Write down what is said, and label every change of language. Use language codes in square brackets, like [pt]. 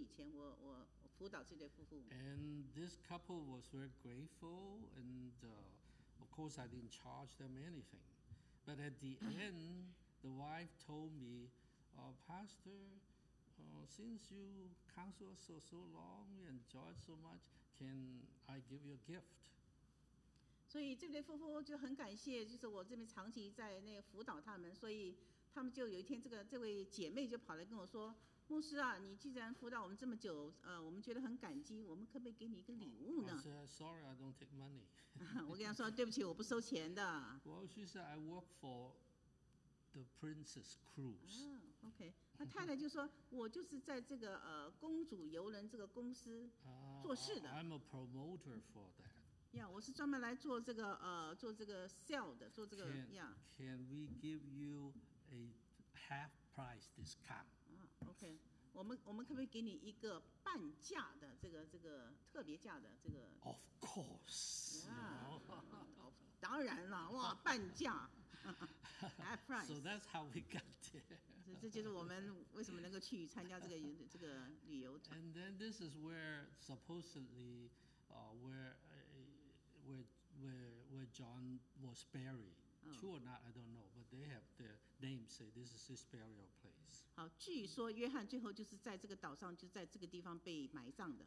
[en] And this couple was very grateful, and of course I didn't charge them anything. But at the end, the wife told me, Pastor, since you counseled us so long, we enjoyed so much, can I give you a gift? [zh] 所以这对夫妇就很感谢，就是我这边长期在那个辅导他们，所以他们就有一天，这位姐妹就跑来跟我说。牧师啊，你既然辅导我们这么久，我们觉得很感激，我们可不可以给你一个礼物呢？ [en] I said, sorry, I don't take money. [zh] 我跟他说对不起，我不收钱的。 [en] Well, she said I work for the Princess Cruise. Okay. [zh] 那太太就说，我就是在这个公主游轮这个公司做事的。 [en] I'm a promoter for that. [zh] Yeah, 我是专门来做这个做这个 sale 的，做这个 yeah. [en] Can we give you a half price discount? [zh] Okay, 我们可不可以给你一个半价的这个特别价的这个 [en] ？Of course. [zh] Yeah, 当然了，哇，半价 ， [en] half price. So that's how we got there. [zh] 这就是我们为什么能够去参加这个旅游。 [en] And then this is where supposedly, where John was buried. True or not, I don't know, but they have their name say this is his burial place. [zh] 好，据说约翰最后就是在这个岛上，就在这个地方被埋葬的。